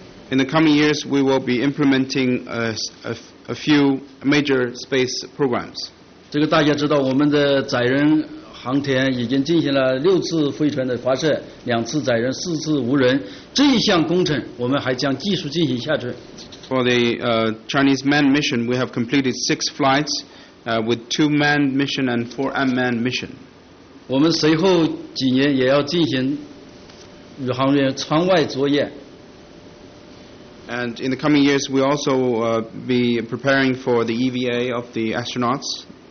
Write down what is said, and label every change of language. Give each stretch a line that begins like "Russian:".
English: In the coming years, we will be implementing a few major space programs.
Chinese: 这个大家知道，我们的载人航天已经进行了6次飞船的发射，2次载人，4次无人。这一项工程，我们还将继续进行下去。
English: For the Chinese manned mission, we have completed 6 flights with 2 manned mission and 4 unmanned mission.
Chinese: 我们随后几年也要进行宇航员舱外作业。
English: And in the coming years, we also be preparing for the EVA of the astronauts.